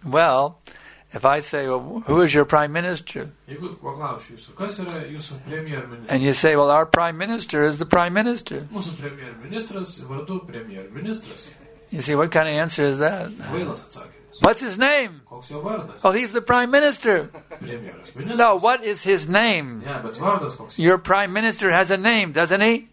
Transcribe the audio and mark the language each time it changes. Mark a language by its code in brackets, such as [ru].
[en] Well, if I say, well, who is your prime minister? [lt] Jeigu paklausiu jūsų, kas yra jūsų premier ministras? [en] And you say, well, our prime minister is the prime minister. [lt] Mūsų premier ministras vardu premier ministras. [en] You see, what kind of answer is that? [lt] Kvailas atsakė. [en] What's his name? [lt] Koks jo vardas? [en] Oh, he's the prime minister. [lt] Premjeras ministras. [en] No, what is his name? Yeah, but [lt] vardas koks. [en] Your prime minister has a name, doesn't he?